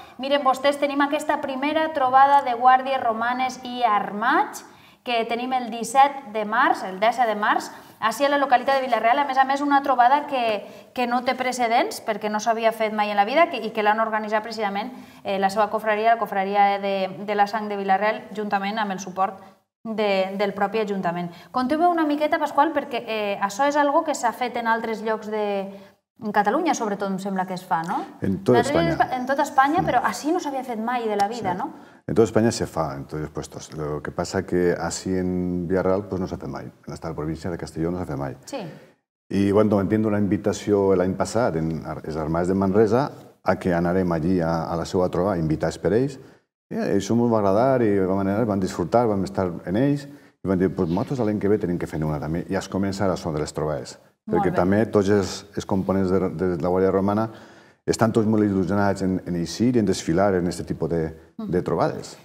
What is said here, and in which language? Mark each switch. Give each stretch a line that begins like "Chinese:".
Catalan: Miren, vostès, tenim aquesta primera trobada de guàrdies romanes i armats, que tenim el 17 de març, el 10 de març, així a la localitat de Vila-real, a més, una trobada que no té precedents, perquè no s'havia fet mai en la vida, i que l'han organitzat precisament la seva cofraria, la cofraria de la sang de Vila-real, juntament amb el suport del propi Ajuntament. Conteu-me una miqueta, Pasqual, perquè això és algo que s'ha fet en altres llocs de... En Catalunya, sobretot, em sembla que es fa, no? En tota Espanya, però així no s'havia fet mai de la vida, sí. No?
Spanish: En toda España
Catalan: se fa,
Spanish: en todos los puestos. Lo que pasa que así en Villarreal pues no se hace mai. En esta provincia de Castellón no se hace mai. Sí. Y bueno, entiendo una invitación el año pasado en los Armades de Manresa
Catalan: a que anarem allí a la seva troba, a invitar per ells. I això ens va agradar i vam anar, vam disfrutar, vam estar en ells. I vam dir, pues nosaltres l'any que ve tenim que fer una també. I es comença a la zona de les trobades. Perquè també tots els components de la Guàrdia Romana estan tots molt il·lusionats en eixir i en desfilar en aquest tipus de trobades.